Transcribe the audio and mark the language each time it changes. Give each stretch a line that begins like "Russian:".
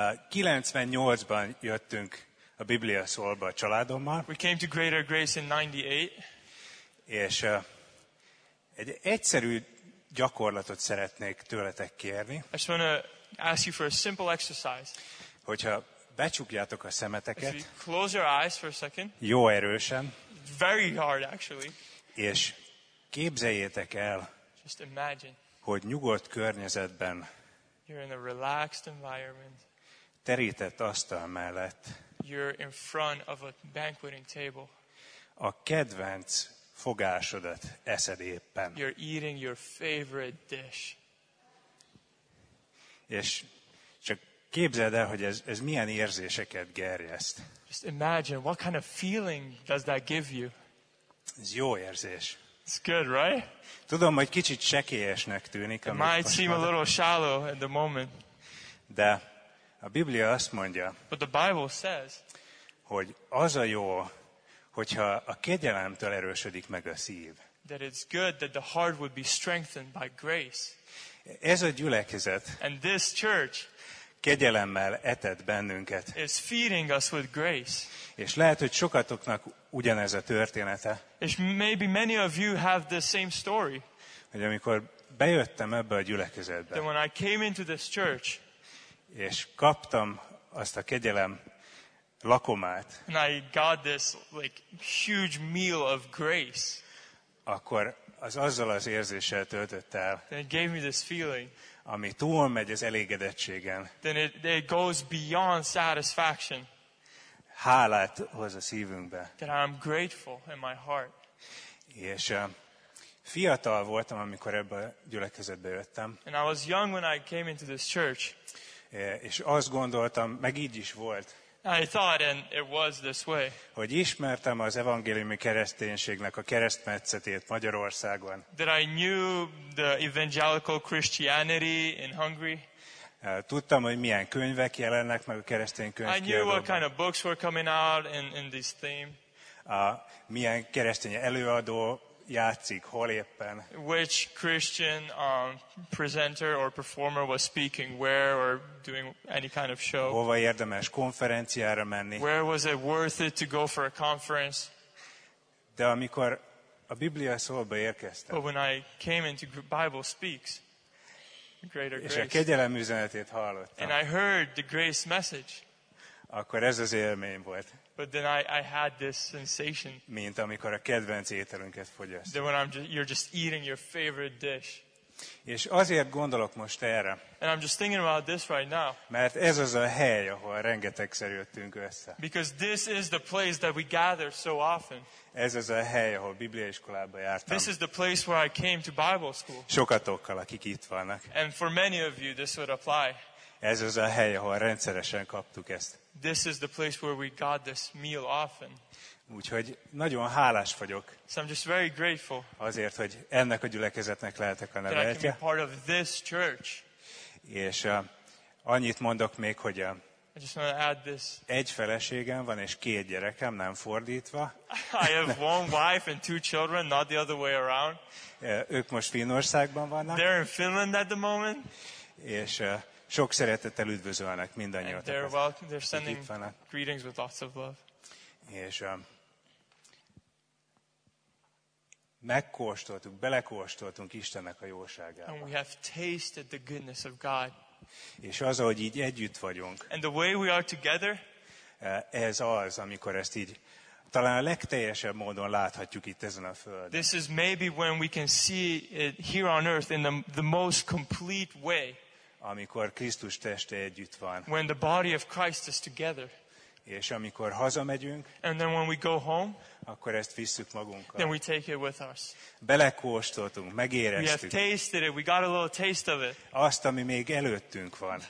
Hungarian: 98-ban jöttünk a Biblia szólba a családommal.
English: We came to Greater Grace in 98.
Hungarian: És egy egyszerű gyakorlatot szeretnék tőletek kérni.
English: I just want to ask you for a simple exercise.
Hungarian: Hogyha Becsukjátok a szemeteket.
English: Close your eyes for a second.
Hungarian: Jó erősen.
English: Very hard actually.
Hungarian: És képzeljétek el,
English: just imagine,
Hungarian: hogy nyugodt környezetben,
English: you're in a relaxed environment,
Hungarian: terített asztal mellett,
English: you're in front of a banqueting table,
Hungarian: a kedvenc fogásodat eszed éppen,
English: you're eating your favorite dish.
Hungarian: És csak képzeld el, hogy ez milyen érzéseket gerjeszt.
English: Just imagine, what kind of feeling does that give you?
Hungarian: Ez jó érzés.
English: It's good, right?
Hungarian: Tudom, hogy kicsit csekélyesnek tűnik.
English: It might seem a little shallow at the moment.
Hungarian: De a Biblia azt mondja,
English: but the Bible says,
Hungarian: hogy az a jó, hogyha a kegyelemtől erősödik meg a szív.
English: That it's good that the heart would be strengthened by grace.
Hungarian: Ez a gyülekezet,
English: and this church,
Hungarian: kegyelemmel etett bennünket.
English: Is feeding us with grace.
Hungarian: És lehet, hogy sokatoknak ugyanez a története.
English: And maybe many of you have the same story.
Hungarian: Hogy amikor bejöttem ebbe a gyülekezetbe.
English: When I came into this church.
Hungarian: És kaptam azt a kegyelem lakomát.
English: And I got this like huge meal of grace.
Hungarian: Akkor az azzal az érzéssel töltött el.
English: Then it gave me this feeling.
Hungarian: Ami túlmegy az elégedettségen.
English: Then it goes beyond satisfaction.
Hungarian: Hálát hoz a szívünkbe.
English: That I'm grateful in my heart.
Hungarian: És fiatal voltam, amikor ebbe a gyülekezetbe jöttem.
English: And I was young when I came into this church.
Hungarian: És azt gondoltam, meg így is volt.
English: I thought, and it was this way.
Hungarian: Hogy ismertem az evangéliumi kereszténységnek a keresztmetszetét Magyarországon.
English: That I knew the evangelical Christianity in Hungary.
Hungarian: Tudtam, hogy milyen könyvek jelennek meg a keresztény könyvkiadóban.
English: I knew what kind of books were coming out in this theme.
Hungarian: Milyen keresztény előadó játszik, hol éppen.
English: Which Christian presenter or performer was speaking where or doing any kind of show.
Hungarian: Hova érdemes konferenciára menni.
English: Where was it worth it to go for a conference.
Hungarian: De amikor a Biblia szóba érkeztem.
English: But when I came into Bible Speaks, greater
Hungarian: grace. És a kegyelem üzenetét hallottam.
English: And I heard the grace message.
Hungarian: Akkor ez az élmény volt.
English: But then I had this sensation.
Hungarian: Mint amikor a kedvenc ételünket fogyaszt.
English: Then when you're just eating your favorite dish.
Hungarian: És azért gondolok most erre.
English: And I'm just thinking about this right now.
Hungarian: Mert ez az a hely, ahol rengetegszer jöttünk össze.
English: Because this is the place that we gather so often.
Hungarian: Ez az a hely, ahol bibliaiskolába jártam.
English: This is the place where I came to Bible school.
Hungarian: Sokatokkal, akik itt vannak.
English: And for many of you, this would apply.
Hungarian: Ez az a hely, ahol rendszeresen kaptuk ezt.
English: This is the place where we got this meal often.
Hungarian: Úgyhogy nagyon hálás vagyok.
English: So I'm just very grateful.
Hungarian: Azért, hogy ennek a gyülekezetnek lehetek a neveltje.
English: That I can be part of this church.
Hungarian: És annyit mondok még, hogy
English: I just want to add this.
Hungarian: Egy feleségem van és két gyerekem, nem fordítva.
English: I have one wife and two children, not the other way around.
Hungarian: Ők most Finnországban vannak.
English: They're in Finland at the moment.
Hungarian: És sok szeretettel üdvözölnek mindannyiatokat.
English: They're welcome. They're sending greetings with lots of love.
Hungarian: És megkóstoltuk, belekóstoltunk Istennek a jóságába.
English: And we have tasted the goodness of God.
Hungarian: És az, ahogy így együtt vagyunk.
English: And the way we are together.
Hungarian: Ez az, amikor ezt így talán a legteljesebb módon láthatjuk itt ezen a földön.
English: This is maybe when we can see it here on earth in the most complete way.
Hungarian: Amikor Krisztus teste együtt van.
English: When the body of Christ is together.
Hungarian: És amikor hazamegyünk.
English: And then when we go home.
Hungarian: Akkor ezt visszük magunkkal.
English: Then we take it with us.
Hungarian: Belekóstoltunk, megéreztük.
English: We have tasted it. We got a little taste of it.
Hungarian: Azt, ami még előttünk van.